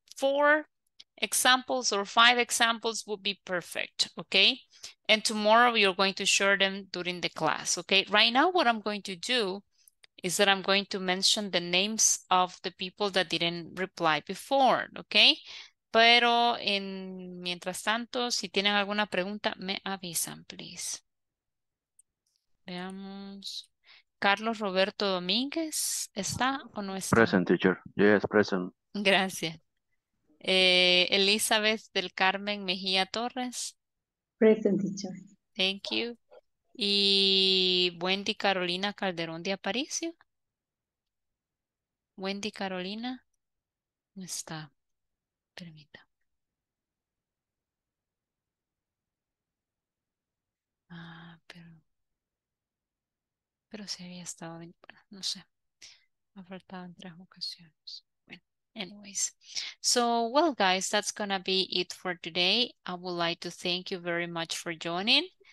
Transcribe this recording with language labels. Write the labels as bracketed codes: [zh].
[en] Four examples or five examples would be perfect, okay? And tomorrow you're going to share them during the class, okay? Right now what I'm going to do is that I'm going to mention the names of the people that didn't reply before, okay? [es] Pero en mientras tanto, si tienen alguna pregunta, me avisan, [en] please. [es] Veamos. Carlos Roberto Domínguez, ¿está o no está? [en] Present, teacher. Yes, present. [es] Gracias. Elizabeth del Carmen Mejía Torres. [en] Present, teacher. Thank you. Y Wendy Carolina Calderón de Aparicio. [es] Wendy Carolina, ¿no está? Permita. Ah, pero si había estado, bueno, no sé, ha faltado en tres ocasiones. [en] Anyways, so well, guys, that's gonna be it for today. I would like to thank you very much for joining.